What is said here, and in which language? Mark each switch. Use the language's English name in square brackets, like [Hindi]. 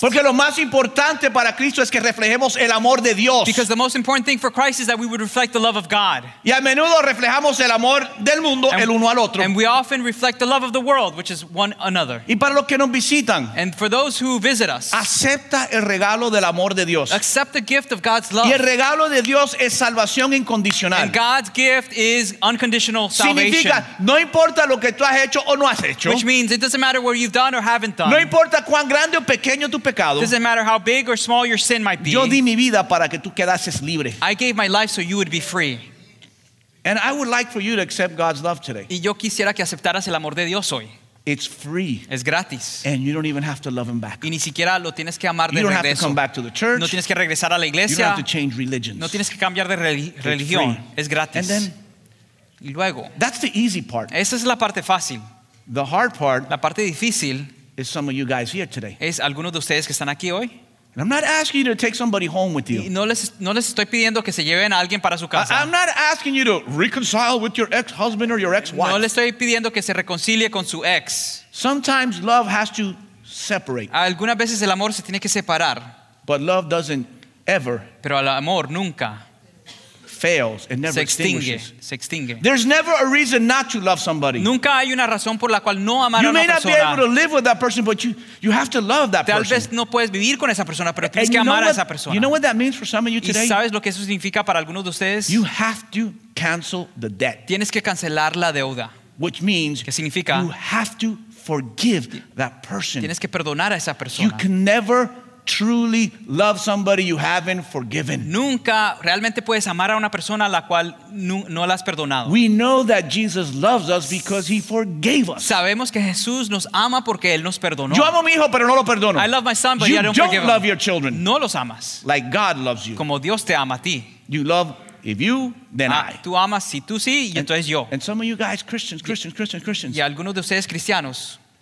[Spanish] Porque lo más importante para Cristo es que reflejemos el amor de Dios. [English] Because the most important thing for Christ is that we would reflect the love of God. [Spanish] Y a menudo reflejamos el amor del mundo el uno al otro. [English] And we often reflect the love of the world, which is one another. [Spanish] Y para los que nos visitan, [English] and for those who visit us, [Spanish] acepta el regalo del amor de Dios. [English] Accept the gift of God's love. [Spanish] Y el regalo de Dios es salvación incondicional. [English] And God's gift is unconditional salvation. [Spanish] Significa, no importa lo que tú has hecho o no has hecho. [English] Which means it doesn't matter what you've done or haven't done. [Spanish] No importa cuán grande o pequeño tu pecado. [English] It doesn't matter how big or small your sin might be. [Spanish] Yo di mi vida para que tú quedases libre. [English] I gave my life so you would be free. And I would like for you to accept God's love today. [Spanish] Y yo quisiera que aceptaras el amor de Dios hoy. [English] It's free. [Spanish] Es gratis. [English] And you don't even have to love him back. [Spanish] Y ni siquiera lo tienes que amar de regreso. [English] You don't have to come back to the church. [Spanish] No tienes que regresar a la iglesia. [English] You don't have to change religions. [Spanish] No tienes que cambiar de religión. Es gratis. [English] And then, [Spanish] y luego, [English] that's the easy part. [Spanish] Esa es la parte fácil. [English] The hard part, [Spanish] la parte difícil, [English] is some of you guys here today. [Spanish] Es algunos de ustedes que están aquí hoy. [English] And I'm not asking you to take somebody home with you. [Spanish] No les estoy pidiendo que se lleven a alguien para su casa. [English] I'm not asking you to reconcile with your ex-husband or your ex-wife. [Spanish] No les estoy pidiendo que se reconcilie con su ex. [English] Sometimes love has to separate. [Spanish] Algunas veces el amor se tiene que separar. [English] But love doesn't ever. [Spanish] Pero el amor nunca. [English] Fails and never extinguishes. [Spanish] Se extingue. [English] There's never a reason not to love somebody. [Spanish] Nunca hay una razón por la cual no amar a una persona. [English] You may not be able to live with that person, but you have to love that person. [Spanish] Tal vez no puedes vivir con esa persona, pero tienes que amar a esa persona. [English] You know what that means for some of you today? [Spanish] ¿Y sabes lo que eso significa para algunos de ustedes? [English] You have to cancel the debt. [Spanish] Tienes que cancelar la deuda. [English] Which means, [Spanish] ¿qué significa? [English] You have to forgive that person. [Spanish] Tienes que perdonar a esa persona. [English] You can never truly love somebody you haven't forgiven. [Spanish] Nunca realmente puedes amar a una persona a la cual no la has perdonado. [English] We know that Jesus loves us because he forgave us. [Spanish] Sabemos que Jesús nos ama porque él nos perdonó. Yo amo a mi hijo pero no lo perdono. [English] I love my son but you I don't forgive him. You don't love your children. [Spanish] No los amas. [English] Like God loves you. [Spanish] Como Dios te ama a ti. [English] You love if you then I. [Spanish] Tú amas si tú sí y entonces yo. [English] And some of you guys Christians. [Spanish] Y algunos de ustedes cristianos.